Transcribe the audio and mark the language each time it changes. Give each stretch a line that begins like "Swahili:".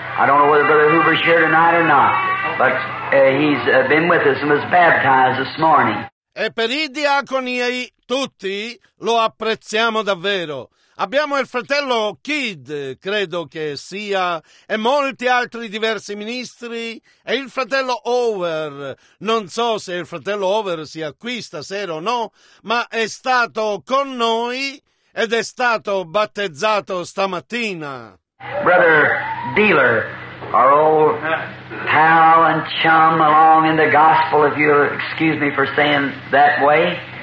English: I don't know whether Brother Hoover's here tonight or not, but he's been with us and was baptized this morning.
Italian: E per i diaconi e tutti lo apprezziamo davvero. Abbiamo il fratello Kidd, credo che sia, e molti altri diversi ministri, e il fratello Over. Non so se il fratello Over sia qui stasera o no, ma è stato con noi ed è stato battezzato stamattina.
English: Brother Dealer, our old pal and chum along in the gospel, if you'll excuse me for saying that way.